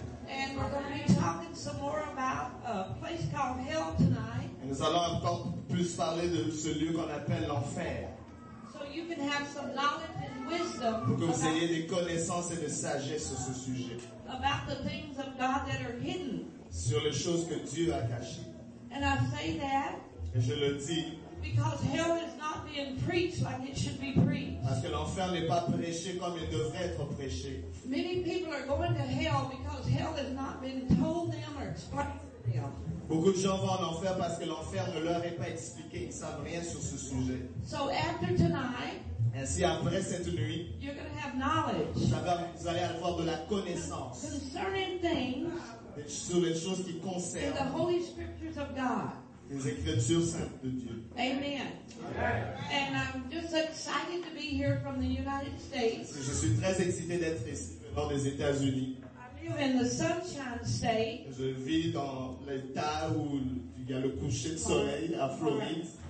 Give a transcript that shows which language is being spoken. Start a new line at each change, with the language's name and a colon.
English: And we're going to be talking some more about a place called hell tonight.
French: Nous allons encore plus parler de ce lieu qu'on appelle l'enfer.
English: So you can have some knowledge and wisdom.
French: Pour que vous ayez des connaissances et de sagesse sur ce sujet.
English: About the things of God that are hidden.
French: Sur les choses que Dieu a cachées.
English: And I say that.
French: Et je le dis.
English: Because hell is not being preached like it should be preached.
French: Parce que l'enfer n'est pas prêché comme il devrait être prêché.
English: Many people are going to hell because hell has not been told them or explained to them.
French: Beaucoup de gens vont en enfer parce que l'enfer ne leur est pas expliqué, ils savent rien sur ce sujet.
English: So after tonight,
French: ainsi après cette nuit,
English: you're going to have knowledge.
French: Vous allez avoir de la connaissance.
English: Concerning things,
French: sur les choses qui concernent.
English: The Holy Scriptures of God.
French: Les Écritures saintes de Dieu.
English: Amen. And I'm just excited to be here from the United States.
French: Je suis très excité d'être ici venant des États-Unis.
English: I live in the Sunshine State.
French: Je vis dans l'état où il y a le coucher de soleil à Floride.